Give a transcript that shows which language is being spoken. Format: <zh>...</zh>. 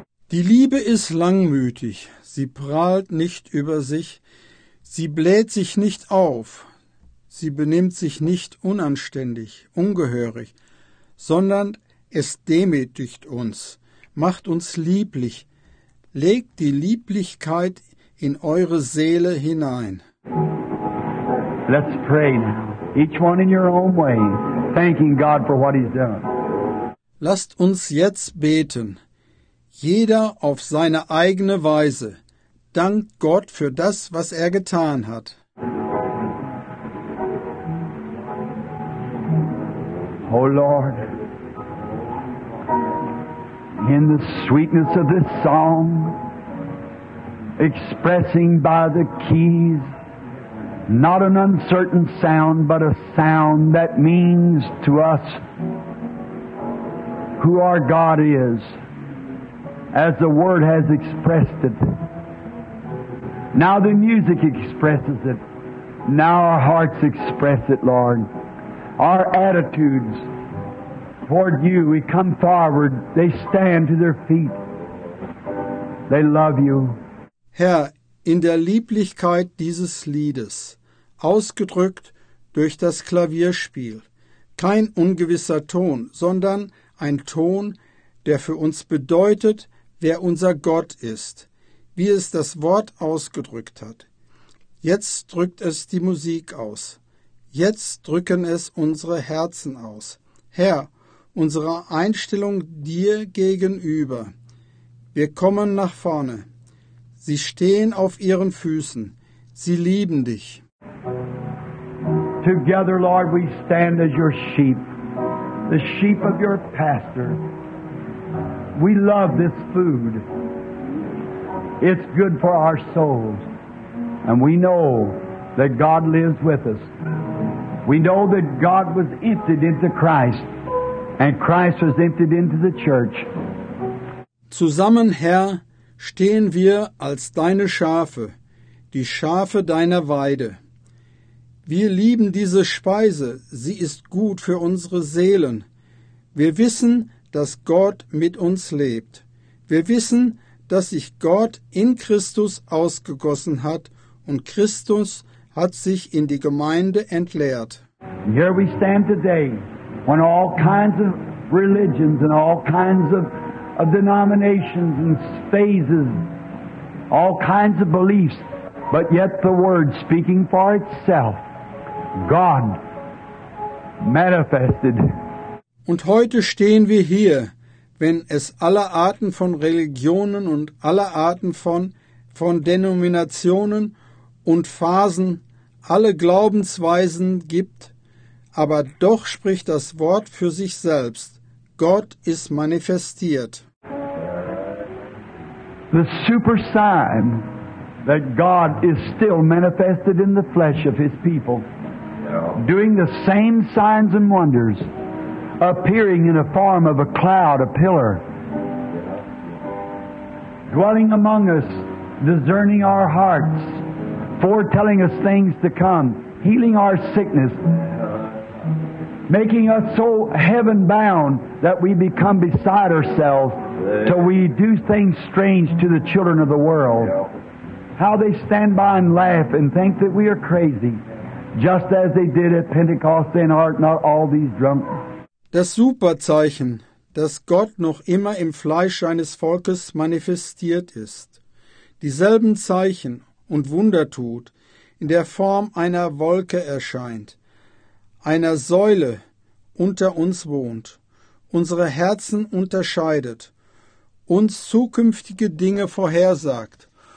<de>Die Liebe ist langmütig, sie prahlt nicht über sich, sie bläht sich nicht auf, sie benimmt sich nicht unanständig, ungehörig, sondern es demütigt uns, macht uns lieblich, legt die Lieblichkeit in eure Seele hinein.</de> <en>Let's pray now, each one in your own way, thanking God for what he's done.</en> <de>Lasst uns jetzt beten. Jeder auf seine eigene Weise. Dankt Gott für das, was er getan hat.</de> <en>Oh Lord, in the sweetness of this song, expressing by the keys, not an uncertain sound, but a sound that means to us who our God is. As the word has expressed it. Now the music expresses it. Now our hearts express it, Lord. Our attitudes toward you, we come forward, they stand to their feet. They love you.</en> <de>Herr, in der Lieblichkeit dieses Liedes, ausgedrückt durch das Klavierspiel, kein ungewisser Ton, sondern ein Ton, der für uns bedeutet, wer unser Gott ist, wie es das Wort ausgedrückt hat. Jetzt drückt es die Musik aus. Jetzt drücken es unsere Herzen aus. Herr, unsere Einstellung dir gegenüber. Wir kommen nach vorne. Sie stehen auf ihren Füßen. Sie lieben dich.</de> <en>Together, Lord, we stand as your sheep, the sheep of your pastor. We love this food. It's good for our souls. And we know that God lives with us. We know that God was emptied into Christ, and Christ was emptied into the church.</en> <de>Zusammen, Herr, stehen wir als deine Schafe, die Schafe deiner Weide. Wir lieben diese Speise, sie ist gut für unsere Seelen. Wir wissen, dass Gott mit uns lebt. Wir wissen, dass sich Gott in Christus ausgegossen hat und Christus hat sich in die Gemeinde entleert.</de> <en>Here we stand today, when all kinds of religions and all kinds of denominations and phases, all kinds of beliefs, but yet the word speaking for itself, God manifested.</en> <de>Und heute stehen wir hier, wenn es alle Arten von Religionen und alle Arten von Denominationen und Phasen, alle Glaubensweisen gibt, aber doch spricht das Wort für sich selbst. Gott ist manifestiert.</de> <en>The super sign that God is still manifested in the flesh of his people, doing the same signs and wonders. Appearing in a form of a cloud, a pillar, dwelling among us, discerning our hearts, foretelling us things to come, healing our sickness, making us so heaven-bound that we become beside ourselves till we do things strange to the children of the world. How they stand by and laugh and think that we are crazy, just as they did at Pentecost and art, not all these drunk.</en> <de>Das Superzeichen, dass Gott noch immer im Fleisch seines Volkes manifestiert ist, dieselben Zeichen und Wunder tut, in der Form einer Wolke erscheint, einer Säule unter uns wohnt, unsere Herzen unterscheidet, uns zukünftige Dinge vorhersagt,</de>